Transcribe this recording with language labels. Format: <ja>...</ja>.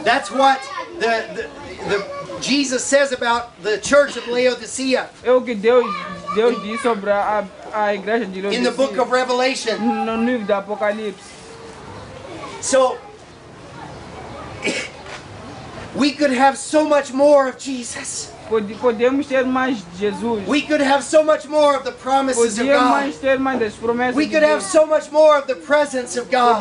<en>That's what the Jesus says about the church of Laodicea.</en> <pt>É o que Deus diz sobre a igreja de Laodicea.</pt> <en>In the book of Revelation.</en> <pt>No livro do Apocalipse.</pt> <en>So we could have so much more of Jesus.</en> <pt>Podemos ter mais de Jesus.</pt> <en>We could have so much more of the promises of God.</en> <pt>Podemos ter mais das promessas.</pt> <en>We could have so much more of the presence of God.</en>